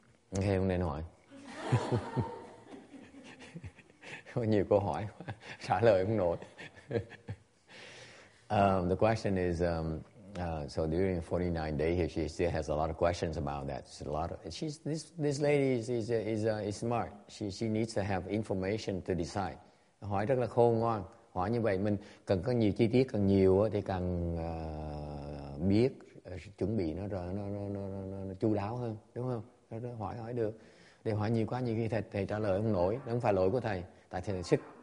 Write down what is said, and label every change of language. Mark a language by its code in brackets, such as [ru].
[vi] Nghe không nên hỏi. Có nhiều câu hỏi quá, trả lời không nổi. [en] The question is, so during 49 days, she still has a lot of questions about that. She's a lot of, this lady is smart. She needs to have information to decide. [vi] Hỏi rất là khôn ngoan. Hỏi như vậy mình cần có nhiều chi tiết, càng nhiều thì càng biết chuẩn bị nó chu đáo hơn, đúng không? Hỏi được. Để hỏi nhiều quá, nhiều khi thầy trả lời không nổi. Đó không phải lỗi của thầy. Tại thầy là sức.